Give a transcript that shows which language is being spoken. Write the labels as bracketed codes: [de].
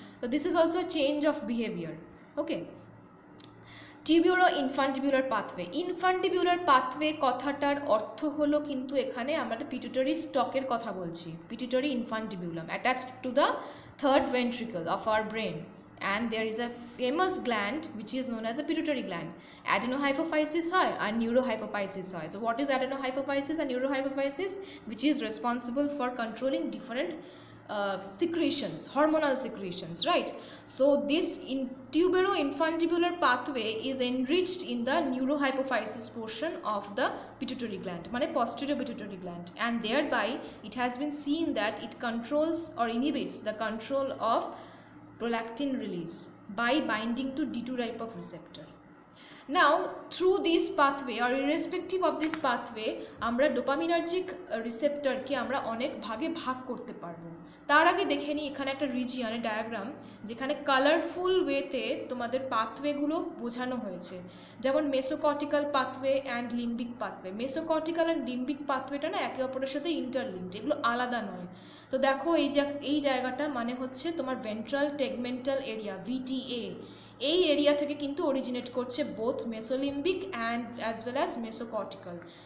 [en] তো this is also change of behaviour. Okay, tubero infundibular pathway, infundibular pathway [bn] কথাটার অর্থ হলো কিন্তু এখানে আমরা পিটুটারি স্টকের কথা বলছি, [en] Pituitary infundibulum attached to the third ventricle of our brain and there is a famous gland which is known as a pituitary gland. [bn] Adeno hypophysis হয় আর নিউরো হাইপোফাইসিস হয়। [en] So what is adenohypophysis আর neurohypophysis? Which is responsible for controlling different secretions, hormonal secretions, right? So this in tubero infantibular pathway is enriched in the neurohypophysis portion of the pituitary gland, [bn] mane [en] posterior pituitary gland, and thereby it has been seen that it controls or inhibits the control of prolactin release by binding to D2 type of receptor. Now, through this pathway or irrespective of this pathway, [bn] আমরা dopaminergic receptorকে আমরা অনেক ভাগে ভাগ করতে পারব। তার আগে দেখে নিই এখানে একটা রিজিয়ানে ডায়াগ্রাম যেখানে কালারফুল ওয়েতে তোমাদের পাথওয়েগুলো বোঝানো হয়েছে, যেমন মেসোকর্টিক্যাল পাথওয়ে অ্যান্ড লিম্বিক পাথওয়ে। মেসোকর্টিক্যাল অ্যান্ড লিম্বিক পাথওয়েটা না একে অপরের সাথে ইন্টারলিঙ্কড, এগুলো আলাদা নয়। তো দেখো এই জায়গাটা মানে হচ্ছে তোমার ভেন্ট্রাল টেগমেন্টাল এরিয়া VTA, এই এরিয়া থেকে কিন্তু অরিজিনেট করছে both মেসোলিম্বিক and as well as মেসোকর্টিক্যাল।